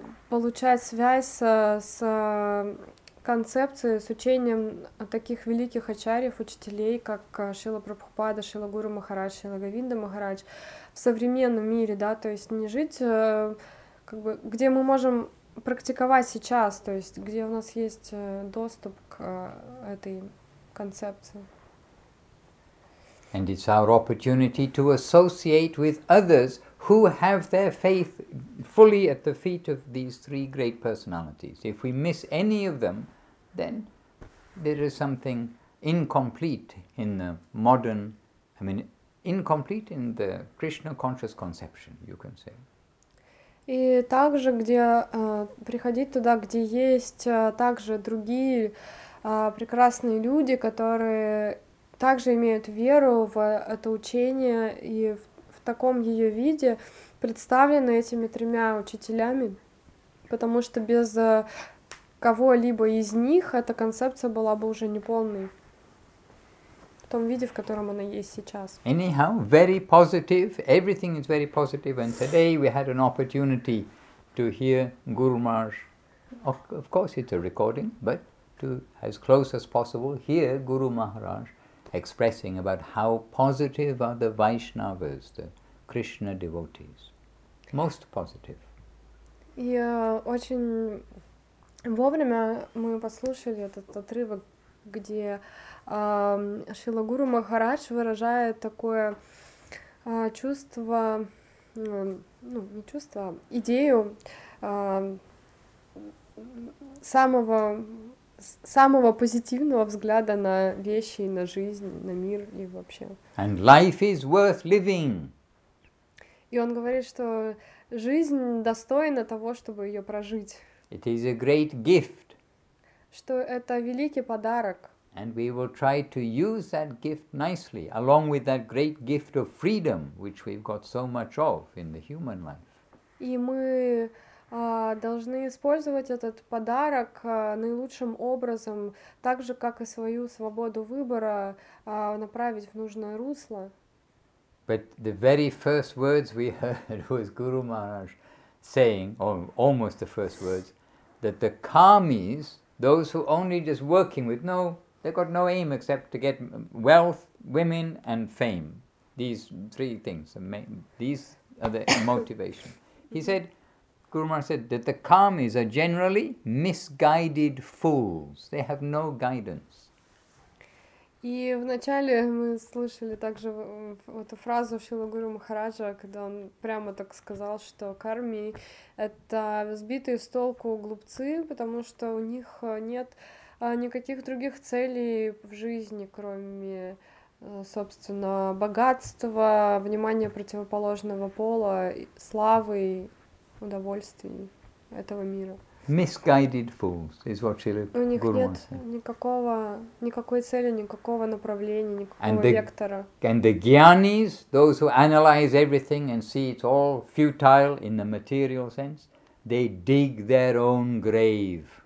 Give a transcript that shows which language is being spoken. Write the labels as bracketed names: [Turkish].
[Russian] получать связь с концепцией, с учением таких великих ачарьев, учителей, как Шрила Прабхупада, Шрила Гуру Махарадж, Шрила Говинда Махарадж в современном мире, да, то есть не жить, как бы, где мы можем практиковать сейчас, то есть где у нас есть доступ к этой концепции. [English] And it's our opportunity to associate with others who have their faith fully at the feet of these three great personalities. If we miss any of them, then there is something incomplete in the modern, incomplete in the Krishna conscious conception, you can say. [Russian] И также, где приходить туда, где есть также другие прекрасные люди, которые также имеют веру в это учение и в таком ее виде представлены этими тремя учителями, потому что без кого-либо из них эта концепция была бы уже неполной в том виде, в котором она есть сейчас. [English] Anyhow, very positive. Everything is very positive. And today we had an opportunity to hear Guru Maharaj. Of course, it's a recording, but to as close as possible hear Guru Maharaj expressing about how positive are the Vaishnavas, the Krishna devotees. Most positive. [Russian] И очень вовремя мы послушали этот отрывок, где Шрила Гуру Махарадж выражает такое чувство, ну, не чувство, а идею самого позитивного взгляда на вещи, на жизнь, на мир и вообще. [English] And life is worth living. [Russian] И он говорит, что жизнь достойна того, чтобы ее прожить. [English] It is a great gift. [Russian] Что это великий подарок. [English] And we will try to use that gift nicely, along with that great gift of freedom, which we've got so much of in the human life. [Russian] И мы должны использовать этот подарок наилучшим образом, так же, как и свою свободу выбора, направить в нужное русло. [English] But the very first words we heard was Guru Maharaj saying, or almost the first words, that the karmis, those who only just working with no, they've got no aim except to get wealth, women and fame. these three things, these are the motivation. He said, Guru Maharaj said, that the Kamis are generally misguided fools. They have no guidance. [Russian] И вначале мы слышали также эту фразу Шрилы Гуру Махараджа, когда он прямо так сказал, что карми — это сбитые с толку глупцы, потому что у них нет никаких других целей в жизни, кроме, собственно, богатства, внимания противоположного пола, славы, удовольствий этого мира. [English] Misguided fools is what Shri Guru Maharaj said. [Russian] У них нет никакой цели, никакого направления, никакого вектора. [English] And the gyanis, those who analyze everything and see it's all futile in the material sense, they dig their own grave.